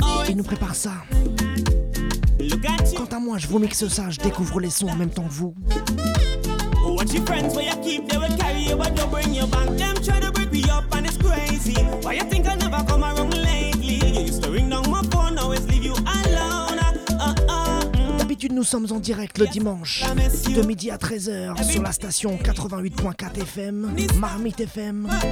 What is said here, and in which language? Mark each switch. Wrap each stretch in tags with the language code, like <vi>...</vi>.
<fr>Il nous prépare ça. Quant à moi, je vous mixe ça, je découvre les sons en même temps que vous.</fr> <en>Watch your friends where you keep, they will carry you, but don't bring you back. Them try to break me up and it's crazy. Why you think I never come around lately? You used to ring down my phone, always leave you alone.</en> <fr>D'habitude, Nous sommes en direct le dimanche de midi à 13h sur la station 88.4 FM, Marmite FM.</fr>